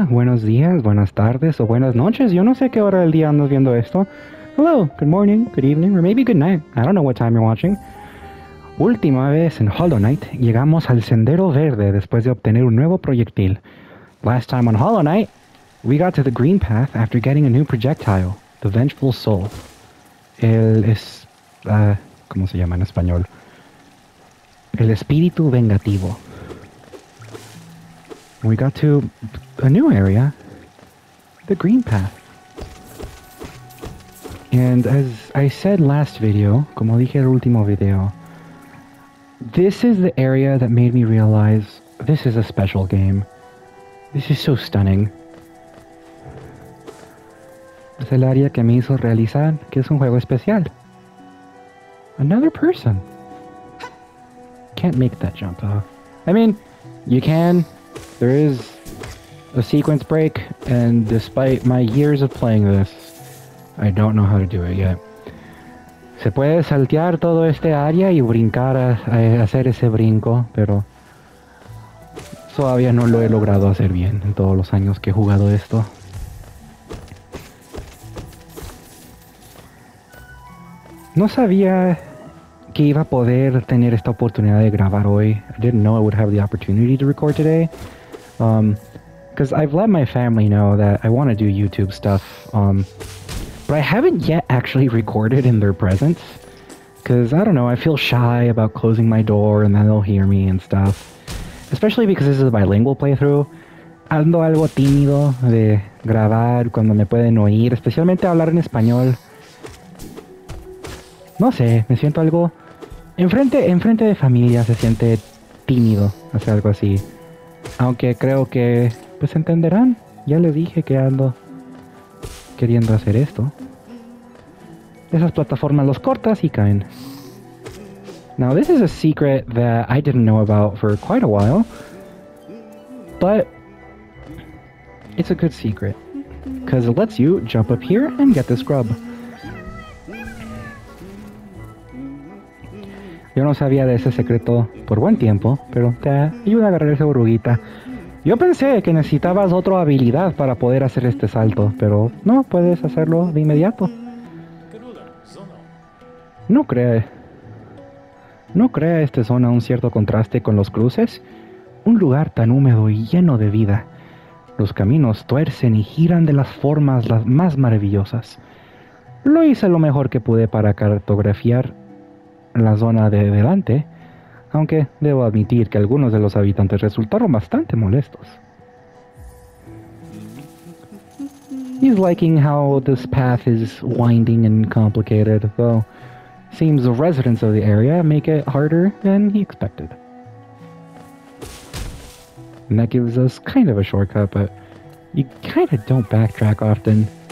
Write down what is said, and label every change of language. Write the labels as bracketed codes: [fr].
[es] buenos días, buenas tardes, o buenas noches. Yo no sé qué hora del día andas viendo esto. [en] Hello, good morning, good evening, or maybe good night. I don't know what time you're watching. [es] Última vez en Hollow Knight, llegamos al sendero verde después de obtener un nuevo proyectil. [en] Last time on Hollow Knight, we got to the green path after getting a new projectile, the vengeful soul. [es] ¿Cómo se llama en español? El espíritu vengativo. [en] We got to a new area, the green path. And as I said last video, [es] como dije el último video, [en] this is the area that made me realize this is a special game. This is so stunning. [es] Es el área que me hizo realizar que es un juego especial. [en] Another person. Can't make that jump, though. I mean, you can. There is a sequence break, and despite my years of playing this, I don't know how to do it yet. [es] Se puede saltear todo este área y brincar a hacer ese brinco, pero todavía no lo he logrado hacer bien en todos los años que he jugado esto. No sabía que iba a poder tener esta oportunidad de grabar hoy. [en] I didn't know I would have the opportunity to record today. Because I've let my family know that I want to do YouTube stuff, but I haven't yet actually recorded in their presence. Because, I don't know, I feel shy about closing my door and then they'll hear me and stuff. Especially because this is a bilingual playthrough. [es] Ando algo tímido de grabar cuando me pueden oír, especialmente hablar en español. No sé, me siento algo... Enfrente de familia se siente tímido hacer algo así. Aunque creo que, pues entenderán. Ya les dije que ando queriendo hacer esto. Esas plataformas los cortas y caen. [en] Now this is a secret that I didn't know about for quite a while. But it's a good secret. Because it lets you jump up here and get this grub. [es] Yo no sabía de ese secreto por buen tiempo, pero te ayuda a agarrar esa oruguita. Yo pensé que necesitabas otra habilidad para poder hacer este salto, pero no, puedes hacerlo de inmediato. No crea esta zona un cierto contraste con los cruces. Un lugar tan húmedo y lleno de vida. Los caminos tuercen y giran de las formas las más maravillosas. Lo hice lo mejor que pude para cartografiar la zona de delante, aunque debo admitir que algunos de los habitantes resultaron bastante molestos. [en] He's liking how this path is winding and complicated, though seems the residents of the area make it harder than he expected. And that gives us kind of a shortcut, but you kind of don't backtrack often.